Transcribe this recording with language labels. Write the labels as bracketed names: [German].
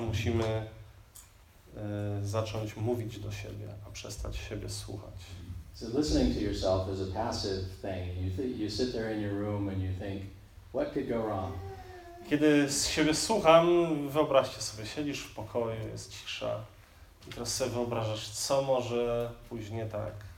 [Polish] Musimy zacząć mówić do siebie, a przestać siebie słuchać. [English] So listening to yourself is a passive thing. You sit there in your room and you think, what could go wrong? [Polish] Kiedy z siebie słucham, wyobraźcie sobie, siedzisz w pokoju, jest cisza i teraz sobie wyobrażasz, co może pójść nie tak.